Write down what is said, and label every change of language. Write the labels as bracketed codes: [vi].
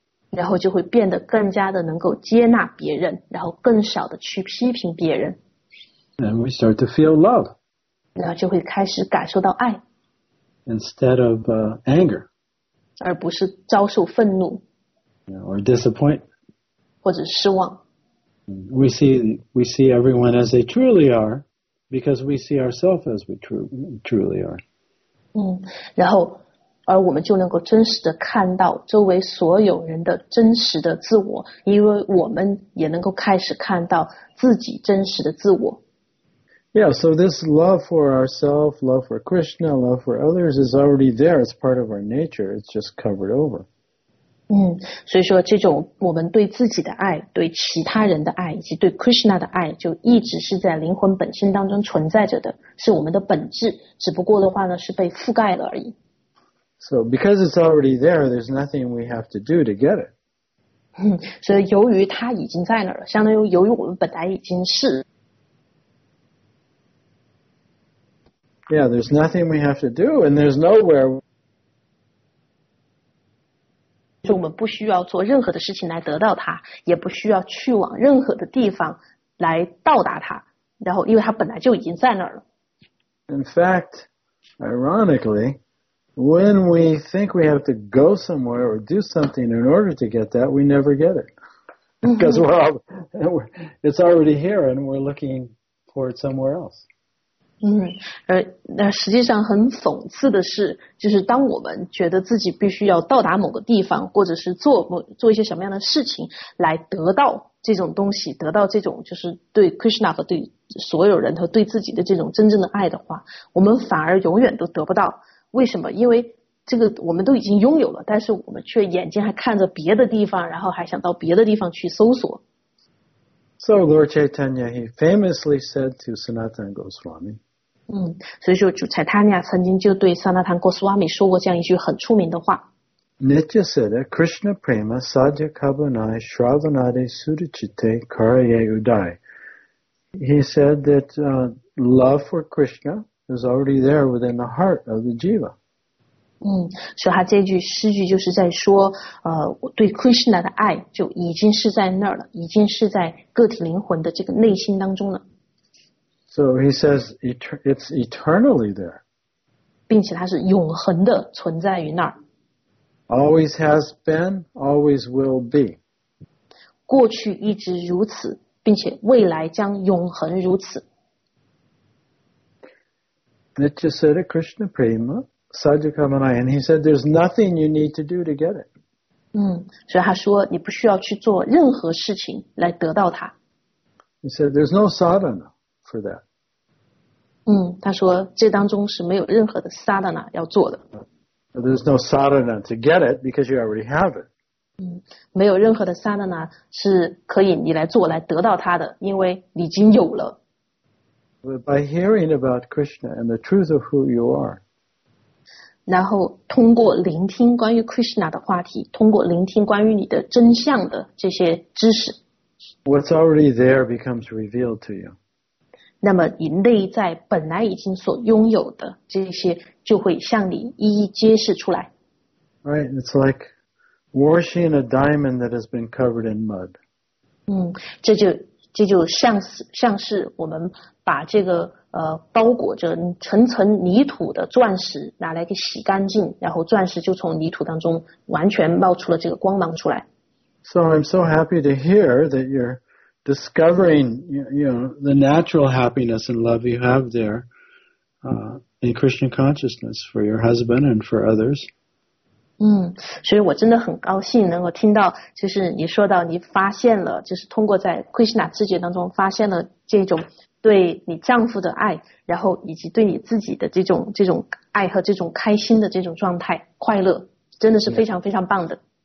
[zh] 然后就会变得更加的能够接纳别人，然后更少的去批评别人。 [en] And we start to feel love. [zh] 然后就会开始感受到爱 [en] instead of anger [zh] 而不是遭受愤怒 [en] or disappoint [zh] 或者失望 [en] we see everyone as they truly are because we see ourselves as we truly are [zh] 然后而我们就能够真实的看到周围所有人的真实的自我因为我们也能够开始看到自己真实的自我 [en] Yeah, so this love for ourselves, love for Krishna, love for others is already there. It's part of our nature. It's just covered over. [zh] 所以说这种我们对自己的爱、对其他人的爱以及对 Krishna 的爱，就一直是在灵魂本身当中存在着的，是我们的本质。只不过的话呢，是被覆盖了而已。 [en] So because it's already there, there's nothing we have to do to get it. [zh] 所以由于它已经在那儿了，相当于由于我们本来已经是。 [en] Yeah, there's nothing we have to do, and there's nowhere. [zh] 我们不需要做任何的事情来得到它，也不需要去往任何的地方来到达它。然后，因为它本来就已经在那儿了。 [en] In fact, ironically, when we think we have to go somewhere or do something in order to get that, we never get it. Because it's already here, and we're looking for it somewhere else. [zh] 实际上很讽刺的是，就是当我们觉得自己必须要到达某个地方，或者是做一些什么样的事情来得到这种东西，得到这种就是对 Krishna 和对所有人和对自己的这种真正的爱的话，我们反而永远都得不到。为什么？因为这个我们都已经拥有了，但是我们却眼睛还看着别的地方，然后还想到别的地方去搜索。 [en] So Lord Chaitanya, he famously said to Sanatan Goswami. [zh] 所以说主 Chaitanya 曾经就对 Sanatan Goswami 说过这样一句很出名的话。 [sa] Nitya Siddha, Krishna Prema, Sadhya Kabunai, Shravanade Sudachite, Karaye Udai. [en] He said that love for Krishna is already there within the heart of the jiva. [zh] 嗯，所以他这句诗句就是在说，对 Krishna 的爱就已经是在那儿了，已经是在个体灵魂的这个内心当中了。 [en] So he says it's eternally there， [zh] 并且它是永恒的存在于那儿。 [en] Always has been, always will be。 [zh] 过去一直如此，并且未来将永恒如此。 [sa] Nitya Siddha Krishna Prema。 Sadhya Kamanai, [en] and he said there's nothing you need to do to get it. [zh] 所以他说你不需要去做任何事情来得到它。 [en] He said there's no sadhana for that. [zh] 他说这当中是没有任何的 sadhana 要做的。 [en] There's no sadhana to get it because you already have it. [zh] 没有任何的 sadhana 是可以你来做来得到它的，因为你已经有了。 [en] But by hearing about Krishna and the truth of who you are, [zh] 然后通过聆听关于 Krishna 的话题，通过聆听关于你的真相的这些知识， [en] What's already there becomes revealed to you. [zh] 那么你内在本来已经所拥有的这些就会向你一一揭示出来。 [en] Right, it's like washing a diamond that has been covered in mud. [zh] 这就像是我们把这个包裹着层层泥土的钻石拿来给洗干净，然后钻石就从泥土当中完全冒出了这个光芒出来。 [en] So I'm so happy to hear that you're discovering, you know, the natural happiness and love you have there, in Krishna consciousness for your husband and for others. [zh] 所以我真的很高兴能够听到，就是你说到你发现了，就是通过在 Krishna 知觉当中发现了这种。对你丈夫的爱，然后以及对你自己的这种爱和这种开心的这种状态，快乐，真的是非常非常棒的。